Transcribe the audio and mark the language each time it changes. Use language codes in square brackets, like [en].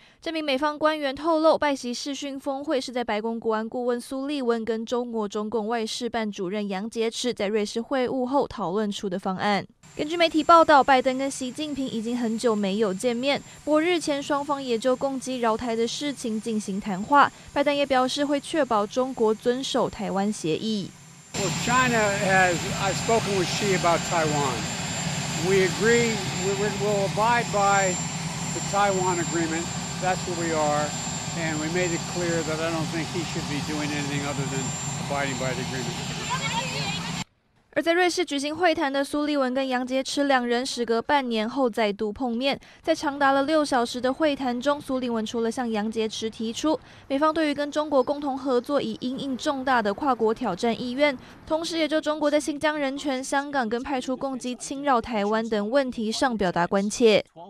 [zh] 这名美方官员透露，拜习视讯峰会是在白宫国安顾问苏利文跟中国中共外事办主任杨洁篪在瑞士会晤后讨论出的方案。根据媒体报道，拜登跟习近平已经很久没有见面，不过日前双方也就共机扰台的事情进行谈话，拜登也表示会确保中国遵守台湾协议。 [en] Well, China has, I've spoken with Xi about Taiwan. We agree, we'll abide by the Taiwan agreement. That's where we are. And we made it clear that I don't think he should be doing anything other than abiding by the agreement. [zh] 而在瑞士举行会谈的苏利文跟杨洁篪两人时隔半年后再度碰面，在长达了6小时的会谈中，苏利文除了向杨洁篪提出美方对于跟中国共同合作以因应重大的跨国挑战意愿，同时也就中国在新疆人权、香港跟派出攻击侵扰台湾等问题上表达关切。